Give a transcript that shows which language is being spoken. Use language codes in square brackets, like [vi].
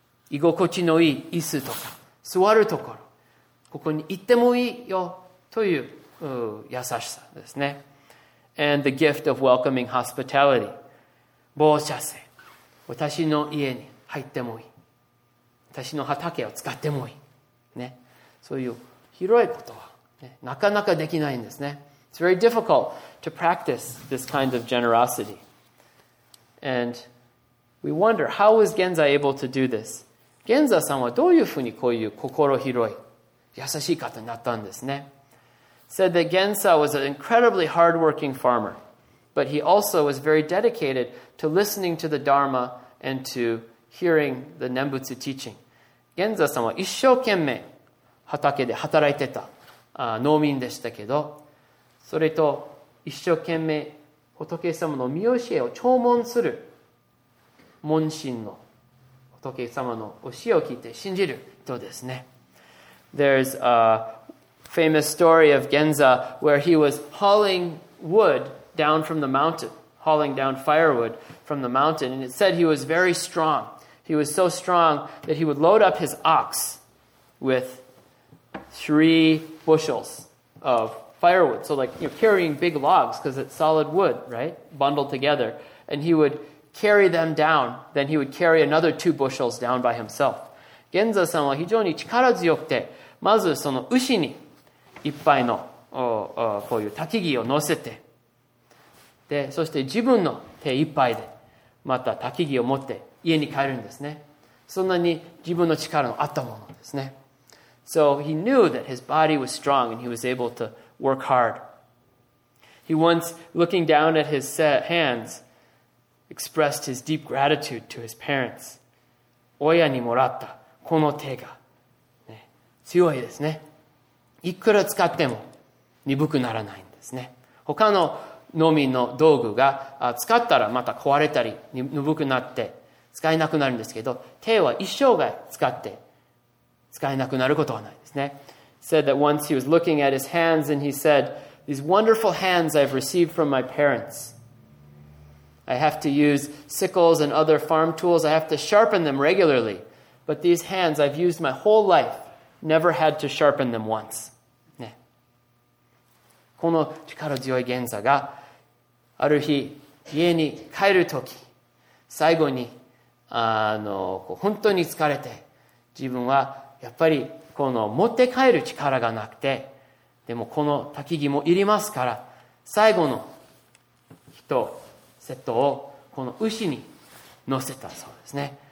[ja] 居心地のいい椅子とか座るところ。ここに行ってもいいよという優しさですね。 [en] And the gift of welcoming hospitality. [ja] 傍者性。私の家に。入ってもいい。私の畑を使ってもいい。ね。そういう広いことは、ね、なかなかできないんですね。 [en] It's very difficult to practice this kind of generosity. And we wonder, how was Genza able to do this? [ja] Genza さんはどういうふうにこういう心広い、優しい方になったんですね。 [en] Said that Genza was an incredibly hardworking farmer, but he also was very dedicated to listening to the Dharma and to hearing the Nembutsu teaching. [ja] Genza さんは一生懸命畑で働いてた農民でしたけど、それと一生懸命仏様の御教えを聴聞する門信の仏様の教えを聞いて信じる人ですね。 [en] There's a famous story of Genza where he was hauling wood down from the mountain, hauling down firewood from the mountain, and it said he was very strong. He was so strong that he would load up his ox with 3 bushels of firewood. So like, you know, carrying big logs because it's solid wood, right? Bundled together. And he would carry them down. Then he would carry another 2 bushels down by himself. [ja] Genza-san は非常に力強くて、まずその牛にいっぱいのこういう焚き木を乗せて、で、そして自分の手一杯で、また焚き木を持って家に帰るんですね。そんなに自分の力のあったものですね。 [en] So he knew that his body was strong and he was able to work hard. He once, looking down at his set hands, expressed his deep gratitude to his parents. [ja] 親にもらったこの手が、ね、強いですね。いくら使っても鈍くならないんですね。他の農民の道具が使ったらまた壊れたり鈍くなって使えなくなるんですけど、手は一生涯使って使えなくなることはないですね。 [en] Said that once he was looking at his hands and he said, "These wonderful hands I've received from my parents. I have to use sickles and other farm tools. I have to sharpen them regularly. But these hands I've used my whole life, never had to sharpen them once." [ja] ね。この力強い現在がある日家に帰るとき、最後に本当に疲れて、自分はやっぱりこの持って帰る力がなくて、でもこの焚き木もいりますから、最後の一セットをこの牛に乗せたそうですね。